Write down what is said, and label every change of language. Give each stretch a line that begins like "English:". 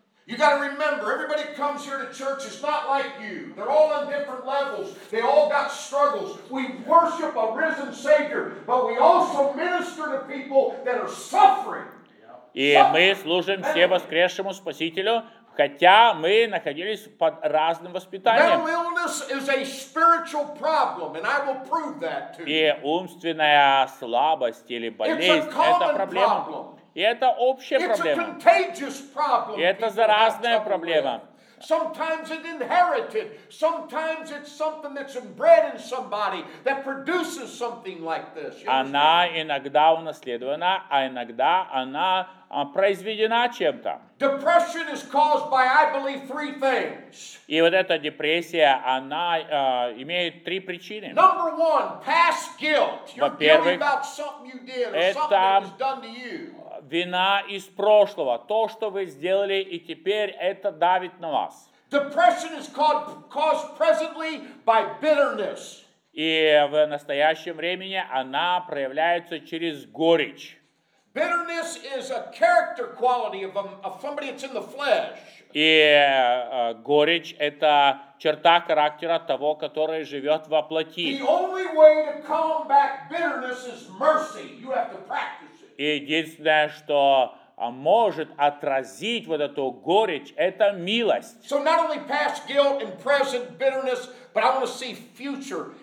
English: You got to remember, everybody comes here to church is not like you. They're all on different levels. They all got struggles. We worship a risen Savior, but we also minister to people that are suffering.
Russian: И мы служим все воскресшему Спасителю, хотя мы находились под разным воспитанием.
English: Mental illness is a spiritual problem, and I will prove that to you.
Russian: И умственная слабость или болезнь – это проблема. И это общая проблема.
English: Problem,
Russian: и это заразная проблема.
English: Sometimes it's inherited. Sometimes it's something that's inbred in somebody that produces something like this.
Russian: Она иногда унаследована, а иногда она произведена чем-то.
English: Depression is caused by, I believe, three things.
Russian: И вот эта депрессия, она имеет три причины.
English: Number one, past guilt. You're guilty about something you did or something that was done to you.
Russian: вина из прошлого. То, что вы сделали, и теперь это давит на вас.
English: Depression is caused presently by bitterness.
Russian: И в настоящем времени она проявляется через горечь.
English: Bitterness is a character quality of somebody that's in the flesh.
Russian: И горечь — это черта характера того, который живет во плоти.
English: The only way to combat bitterness is mercy. You have to practice it.
Russian: Единственное, что может отразить вот эту горечь, это милость.
English: So not only past guilt and present bitterness, but I want to see future.